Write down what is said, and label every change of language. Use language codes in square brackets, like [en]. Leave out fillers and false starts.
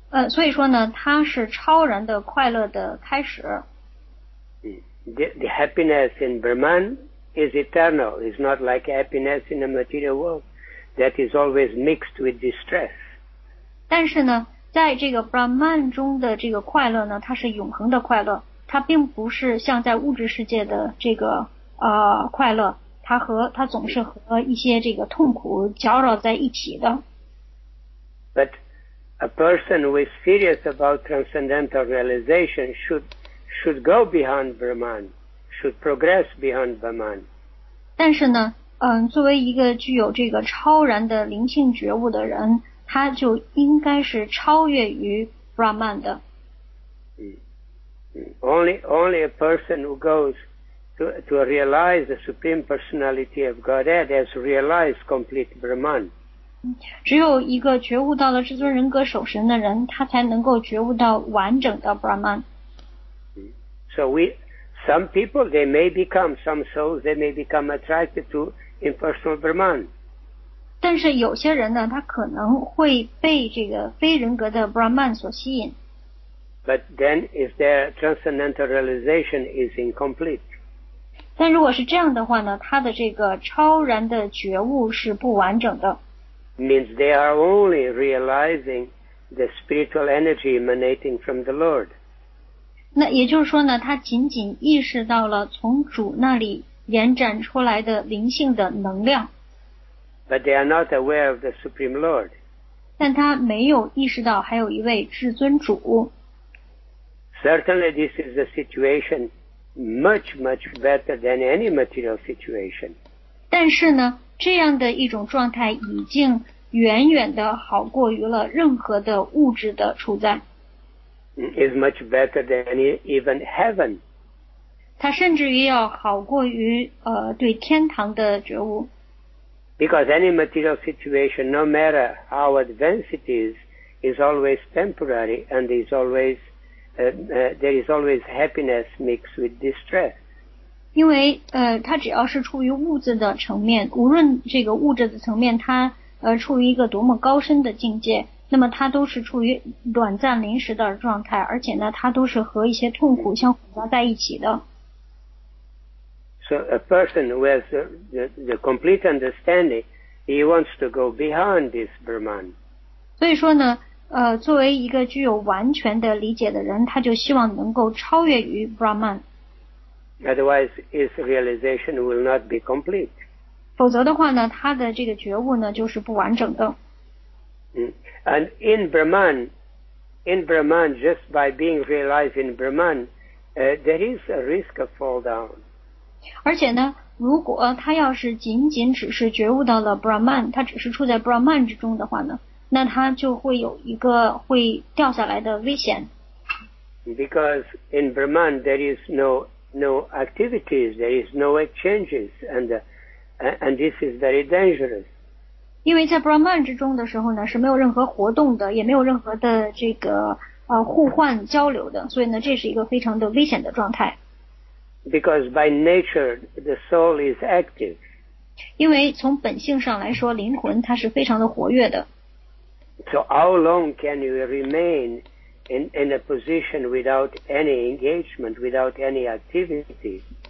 [zh] 所以说呢，它是超然的快乐的开始。 [en] The happiness in Brahman is eternal. It's not like happiness in the material world that is always mixed with distress. [zh] 但是呢，在这个 Brahman 中的这个快乐呢，它是永恒的快乐，它并不是像在物质世界的这个快乐，它总是和一些这个痛苦搅扰在一起的。 [en] But a person who is serious about transcendental realization should go beyond Brahman, should progress beyond Brahman. [zh] 但是呢，作为一个具有这个超然的灵性觉悟的人，他就应该是超越于 Brahman 的。 [en] Only a person who goes to realize the Supreme Personality of Godhead has realized complete Brahman. [zh] 只有一个觉悟到了至尊人格守神的人，他才能够觉悟到完整的 Brahman。 [en] So some people they may become, some souls they may become attracted to impersonal Brahman. [zh] 但是有些人呢，他可能会被这个非人格的 Brahman 所吸引。 [en] But then if their transcendental realization is incomplete. [zh] 但如果是这样的话呢，他的这个超然的觉悟是不完整的。 [en] Means they are only realizing the spiritual energy emanating from the Lord. [zh] 那也就是说呢，他仅仅意识到了从主那里延展出来的灵性的能量。 [en] But they are not aware of the Supreme Lord. [zh] 但他没有意识到还有一位至尊主。 [en] Certainly this is a situation much, much better than any material situation. [zh] 但是呢，这样的一种状态已经远远的好过于了任何的物质的处在。 [en] Is much better than even heaven. [zh] 它甚至于要好过于对天堂的觉悟。 [en] Because any material situation, no matter how advanced it is always temporary and is always there is always happiness mixed with distress. [zh] 因为它只要是处于物质的层面，无论这个物质的层面它处于一个多么高深的境界，那么它都是处于短暂临时的状态，而且呢它都是和一些痛苦相混杂在一起的。 [en] So a person who has the complete understanding, he wants to go beyond this Brahman. [zh] 所以说呢，作为一个具有完全的理解的人，他就希望能够超越于 Brahman。 [en] Otherwise, his realization will not be complete. [zh] 否则的话呢，他的这个觉悟呢就是不完整的。 [en] And in Brahman, just by being realized in Brahman, there is a risk of fall down. [zh] 而且呢，如果他要是仅仅只是觉悟到了 Brahman, 他只是处在 Brahman 之中的话呢，那他就会有一个会掉下来的危险。 [en] Because in Brahman there is no activities, there is no exchanges, and this is very dangerous. [zh] 因为在 Brahman 之中的时候呢，是没有任何活动的，也没有任何的这个互换交流的，所以呢，这是一个非常的危险的状态。 [en] Because by nature, the soul is active. [zh] 因为从本性上来说，灵魂它是非常的活跃的。 [en] So how long can you remain in a position without any engagement, without any activity?